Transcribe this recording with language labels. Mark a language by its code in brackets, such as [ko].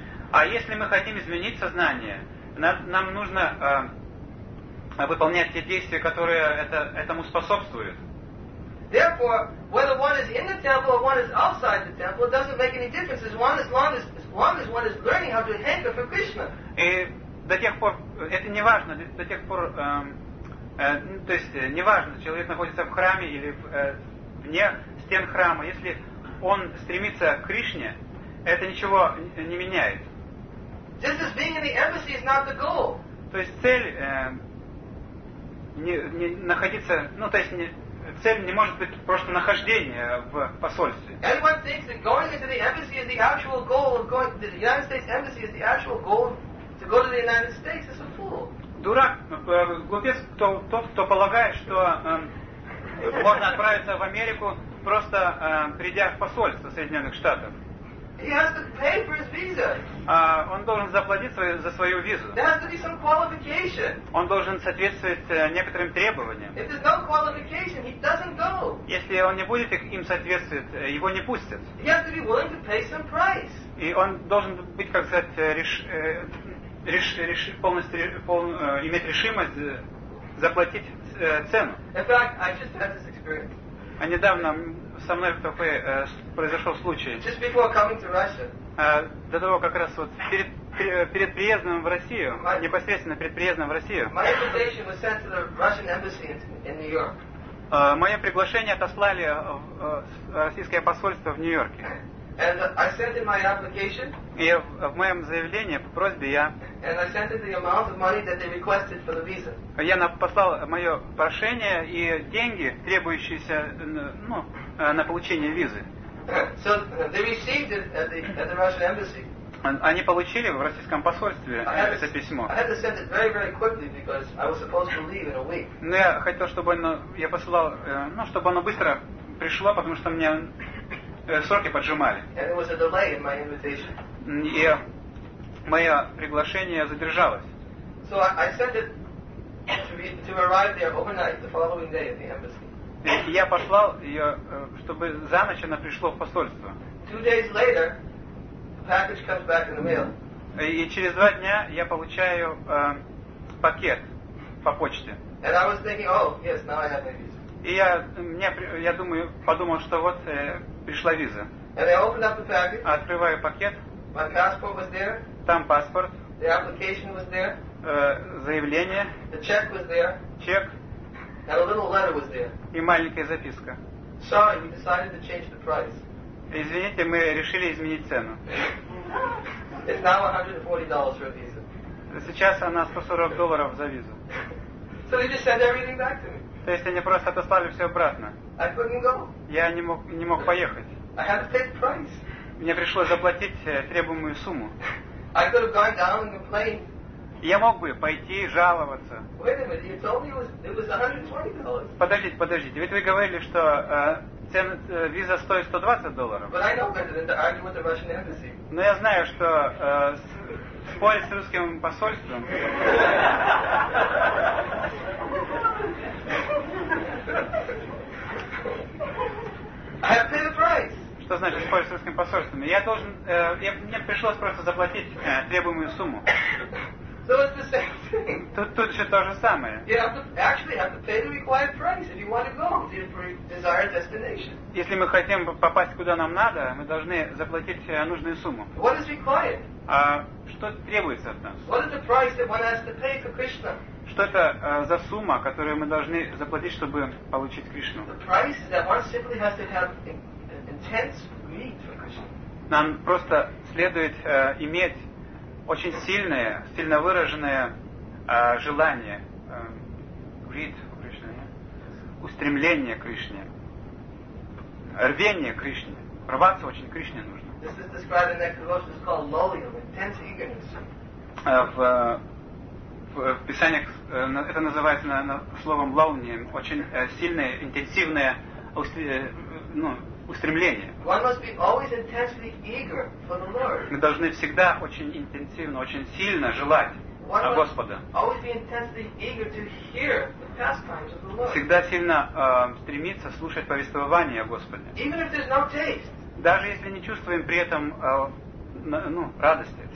[ru] А если мы хотим изменить сознание, нам нужно выполнять те действия, которые этому способствуют. [en] Therefore, whether one is in the temple or one is outside the temple, it doesn't make any difference. As long as one is learning how to hanker for Krishna. [ru] И до тех пор это не важно. До тех пор, то есть не важно, человек находится в храме или вне стен храма. Если он стремится к Кришне, это ничего не меняет. [en] Just as being in the embassy is not the goal. [ru] То есть цель не находиться, то есть не цель не может быть просто нахождение в посольстве. [en] Anyone thinks that going into the embassy is the actual goal of going to the United States embassy is the actual goal to go to the United States is a fool. [ru] Дурак, глупец, кто полагает, что можно отправиться в Америку просто придя в посольство Соединенных Штатов. [en] He has to pay for his visa. [ru] Он должен заплатить за свою визу. [en] There has to be some qualification. [ru] Он должен соответствовать некоторым требованиям. [en] If there's no qualification, he doesn't go. [ru] Если он не будет им соответствовать, его не пустят. [en] He has to be willing to pay some price. [ru] И он должен быть, как сказать, иметь решимость заплатить цену. [en] In fact, I just had this experience. [ru] А недавно со мной такой произошел случай. [en] Just before coming to Russia. [ru] До того, как раз вот перед приездом в Россию, непосредственно перед приездом в Россию. [en] My invitation was sent to the Russian embassy in New York. [ru] Мое приглашение отослали в российское посольство в Нью-Йорке. [en] And I sent in my application. [ru] И в моем заявлении по просьбе я. [en] And I sent in the amount of money that they requested for the visa. [ru] Я послал мое прошение и деньги, требующиеся, ну, на получение визы. [en] So they received it at the Russian embassy. [ru] Они получили в российском посольстве это письмо. [en] I had to send it very, very quickly because I was supposed to leave in a week. [ru] Но я хотел, чтобы оно, я посылал, ну, чтобы оно быстро пришло, потому что мне сроки поджимали. [en] And it was a delay in my invitation. [ru] И мое приглашение задержалось. [en] So I sent it to arrive there overnight the following day at the embassy. [ru] Я послал ее, чтобы за ночь она пришла в посольство. [en] Two days later, the package comes back in the mail. [ru] И через два дня я получаю пакет по почте. [en] And I was thinking, oh, yes, now I have my visa. [ru] И я подумал, что вот пришла виза. [en] And I opened up the package. [ru] Открываю пакет. [en] My passport was there. [ru] Там паспорт. [en] The application was there. [ru] Заявление. [en] The check was there. [ru] Чек. [en] And a little letter was there. [ru] И маленькая записка. [en] Sorry, we decided to change the price. [ru] Извините, мы решили изменить цену. [en] It's now $140 for a visa. [ru] Сейчас она $140 за визу. [en] So they just sent everything back to me. [ru] То есть они просто отослали все обратно. [en] I couldn't go. [ru] Я не мог поехать. [en] I had to pay the price. [ru] Мне пришлось заплатить требуемую сумму. [en] I could have gone down and complained. [ru] Я мог бы пойти жаловаться. [en] Wait a minute, you told me it was $120. [ru] Подождите. Ведь вы говорили, что виза стоит $120. [en] But I know better than to argue with the Russian embassy. [ru] Но я знаю, что спорить с русским посольством. [en] I have to pay the price. [ru] Что значит спорить с русским посольством? Я должен. Мне пришлось просто заплатить требуемую сумму. [en] So it's the same thing. [ru] Тут же то же самое. [en] You have to pay the required price if you want to go to your desired destination. [ru] Если мы хотим попасть куда нам надо, мы должны заплатить нужную сумму. [en] What is required? [ru] А что требуется от нас? [en] What is the price that one has to pay for Krishna? [ru] Что это за сумма, которую мы должны заплатить, чтобы получить Кришну? [en] The price that one simply has to have intense greed for Krishna. [ru] Нам просто следует иметь очень сильное, сильно выраженное желание, [en] greed [ru] в Кришне, устремление к Кришне, рвение к Кришне, рваться очень к Кришне нужно. [en] This is described in that devotion, it's called loyal, intense eagerness. [ru] В писаниях это называется словом лолнием, очень сильное, интенсивное устремление. [en] One must be always intensely eager for the Lord. [ru] Мы должны всегда очень интенсивно, очень сильно желать Господа. [en] Always be intensely eager to hear the pastimes of the Lord. [ru] Всегда сильно стремиться слушать повествование о Господе. [en] Even if there's no taste. [ru] Даже если не чувствуем при этом радости.